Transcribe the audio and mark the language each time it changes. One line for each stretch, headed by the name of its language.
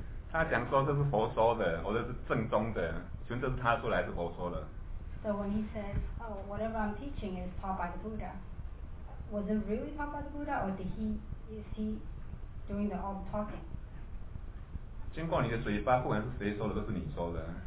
Chinese: 他讲说这是佛说的，我这是正宗的。请问这是他说的还是佛说的
English: ？So when he says, "Oh, whatever I'm teaching is taught by the Buddha," was it really taught by the Buddha, or did he is he doing the all the talking?
Chinese: 经过你的嘴巴，不管是谁说的，都是你说的。